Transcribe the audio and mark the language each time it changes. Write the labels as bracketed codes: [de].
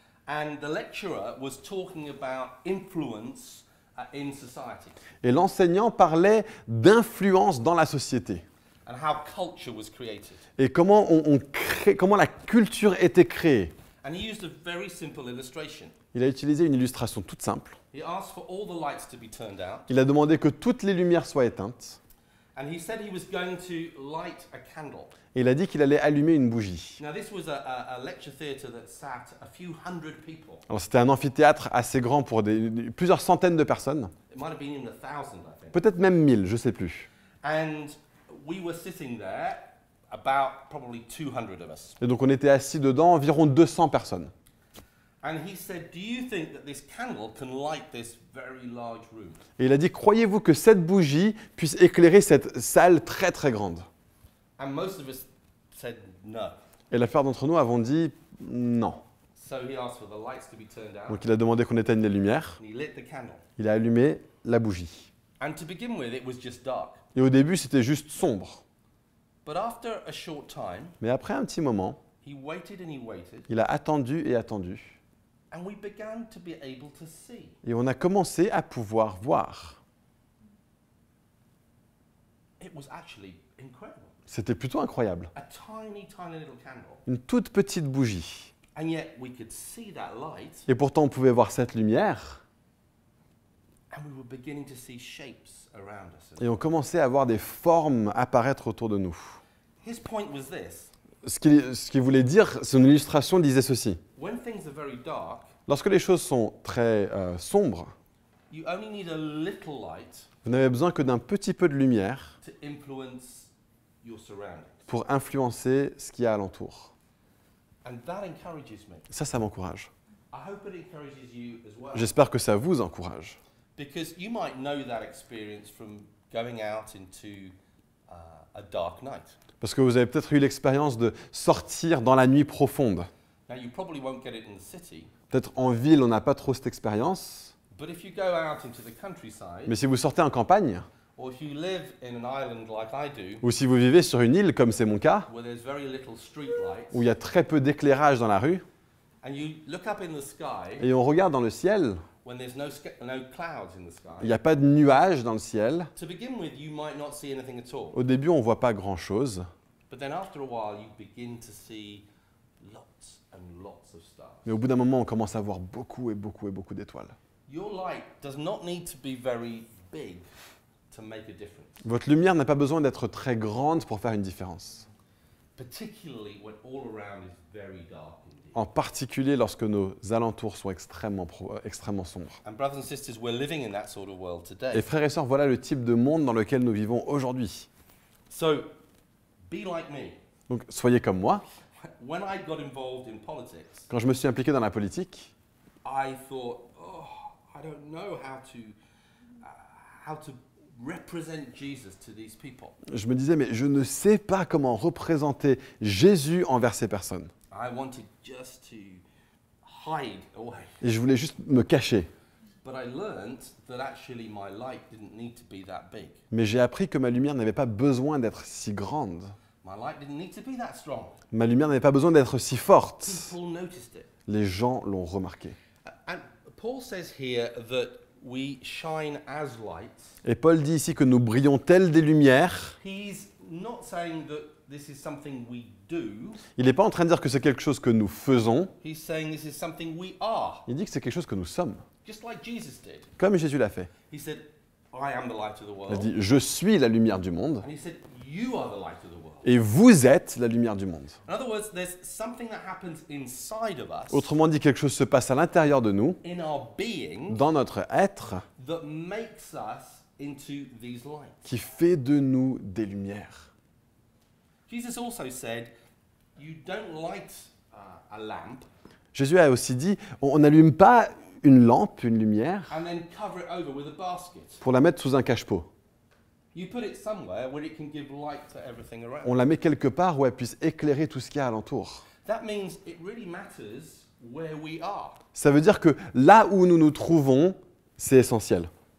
[en] And the lecturer was talking about influence in society. [fr] Et l'enseignant parlait d'influence dans la société. [en] And how culture was created. [fr] Et comment comment la culture était créée. [en] And he used a very simple illustration. [fr] Il a utilisé une illustration toute simple. [en] He asked for all the lights to be turned out. [fr] Il a demandé que toutes les lumières soient éteintes. [en] And he said he was going to light a candle. [fr] Et il a dit qu'il allait allumer une bougie. [en] Now this was a lecture theater that sat a few hundred people. [fr] Alors c'était un amphithéâtre assez grand pour plusieurs centaines de personnes. [en] It might have been even 1,000, I think. [fr] Peut-être même 1,000, je ne sais plus. [en] And we were sitting there about probably 200 of us. [fr] Et donc on était assis dedans environ 200 personnes. [en] And he said, "Do you think that this candle can light this very large room?" [fr] Et il a dit, "Croyez-vous que cette bougie puisse éclairer cette salle très très grande?" [en] And most of us said no. [fr] Et la plupart d'entre nous avons dit non. [en] So he asked for the lights to be turned out. [fr] Donc il a demandé qu'on éteigne les lumières. [en] And he lit the candle. [fr] Il a allumé la bougie. [en] And to begin with, it was just dark. [fr] Et au début, c'était juste sombre. [en] But after a short time, [fr] mais après un petit moment, [en] he waited, [fr] il a attendu et attendu. [en] And we began to be able to see. [fr] Et on a commencé à pouvoir voir. [en] It was actually incredible. [fr] C'était plutôt incroyable. [en] A tiny little candle. [fr] Une toute petite bougie. [en] And yet we could see that light. [fr] Et pourtant, on pouvait voir cette lumière. [en] And we were beginning to see shapes around us. [fr] Et on commençait à voir des formes apparaître autour de nous. [en] His point was this. [fr] Ce qu'il voulait dire, son illustration disait ceci. [en] When things are very dark, [fr] lorsque les choses sont très sombres, [en] you only need a little light, [fr] vous n'avez besoin que d'un petit peu de lumière [en] to influence your surroundings. [fr] Pour influencer ce qu'il y a alentour. [en] And that encourages me. [fr] Ça m'encourage. [en] I hope it encourages you as well. [fr] J'espère que ça vous encourage. [en] Because you might know that experience from going out into a dark night. [fr] Parce que vous avez peut-être eu l'expérience de sortir dans la nuit profonde. [en] Now you probably won't get it in the city. [fr] Peut-être en ville, on n'a pas trop cette expérience. [en] But if you go out into the countryside. [fr] Mais si vous sortez en campagne. [en] Or if you live in an island like I do. [fr] Ou si vous vivez sur une île comme c'est mon cas. [en] Where there's very little street lights. [fr] Où il y a très peu d'éclairage dans la rue. [en] And you look up in the sky. [fr] Et on regarde dans le ciel. [en] when there's no clouds in the sky. [fr] Il n'y a pas de nuages dans le ciel. [en] To begin with, you might not see anything at all. [fr] Au début, on ne voit pas grand-chose. [en] But then after a while, you begin to see lots and lots of stars. [fr] Mais au bout d'un moment, on commence à voir beaucoup et beaucoup et beaucoup d'étoiles. [en] Your light does not need to be very big to make a difference. [fr] Votre lumière n'a pas besoin d'être très grande pour faire une différence. [en] Particularly when all around is very dark. [fr] En particulier lorsque nos alentours sont extrêmement sombres. [en] And brothers and sisters, we're living in that sort of world today. [fr] Et frères et sœurs, voilà le type de monde dans lequel nous vivons aujourd'hui. [en] So, be like me. [fr] Donc, soyez comme moi. [en] When I got involved in politics, [fr] quand je me suis impliqué dans la politique, [en] I thought, oh, I don't know how to represent Jesus to these people. [fr] Je me disais, mais je ne sais pas comment représenter Jésus envers ces personnes. [en] I wanted just to hide away. [fr] Et je voulais juste me cacher. [en] But I learned that actually my light didn't need to be that big. [fr] Mais j'ai appris que ma lumière n'avait pas besoin d'être si grande. [en] My light didn't need to be that strong. [fr] Ma lumière n'avait pas besoin d'être si forte. [en] People noticed it. [fr] Les gens l'ont remarqué. [en] And Paul says here that we shine as lights. [fr] Et Paul dit ici que nous brillons telles des lumières. [en] He's not saying that this is something we do. [fr] Il n'est pas en train de dire que c'est quelque chose que nous faisons. [en] He's saying this is something we are. [fr] Il dit que c'est quelque chose que nous sommes. [en] Just like Jesus did. [fr] Comme Jésus l'a fait. [en] He said, I am the light of the world. [fr] Il dit, je suis la lumière du monde. [en] And he said, you are the light of the world. [fr] Et vous êtes la lumière du monde. [en] In other words, there's something that happens inside of us. [fr] Autrement dit, quelque chose se passe à l'intérieur de nous. [en] In our being. [fr] Dans notre être. [en] That makes us into these lights. [fr] Qui fait de nous des lumières. [en] Jesus also said, you don't light a lamp. [fr] Jésus a aussi dit, on n'allume pas une lampe, une lumière, [en] and then cover it over with a basket. [fr] Pour la mettre sous un cache-pot. [en] You put it somewhere where it can give light to everything around. [fr] On la met quelque part où elle puisse éclairer tout ce qu'il y a alentour. [en] That means it really matters where we are. [fr] Ça veut dire que là où nous nous trouvons, c'est essentiel.